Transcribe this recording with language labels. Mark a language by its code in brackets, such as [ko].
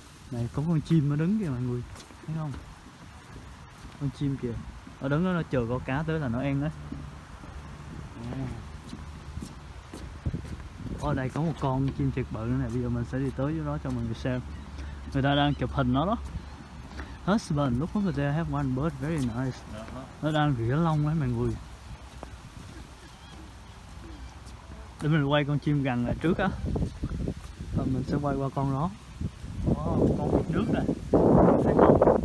[vi] Này có con chim nó đứng kìa mọi người. Thấy không? Con chim kìa. Nó đứng đó nó chờ có cá tới là nó ăn đấy. Ở đây có một con chim thiệt bự nữa nè, bây giờ mình sẽ đi tới với nó cho mọi người xem. Người ta đang chụp hình nó đó. [en] Husband, look over there, have one bird, very nice. [vi] Nó đang rỉa lông đấy mọi người. Để mình quay con chim gần lại trước á. Và mình sẽ quay qua con đó. Wow, con trước nè. Thấy không?